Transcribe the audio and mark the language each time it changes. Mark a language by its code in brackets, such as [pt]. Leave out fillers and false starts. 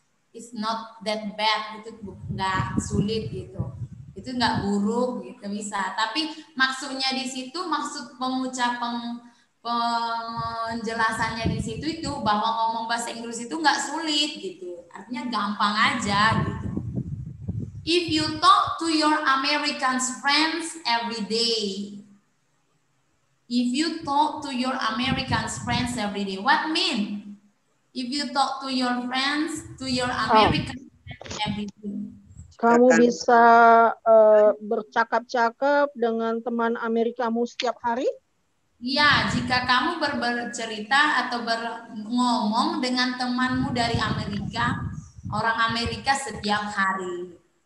[en] It's not that bad, [id] itu nggak sulit gitu. Itu nggak buruk gitu bisa. Tapi maksudnya di situ, maksud pengucapan penjelasannya di situ itu bahwa ngomong bahasa Inggris itu nggak sulit gitu. Artinya gampang aja gitu. [en] If you talk to your American friends every day, if you talk to your American friends every day, what mean? If you talk to your friends, to your American friends every day. [id] Kamu bisa bercakap-cakap dengan teman Amerikamu setiap hari? Ya, jika kamu bercerita atau berngomong dengan temanmu dari Amerika, orang Amerika setiap hari.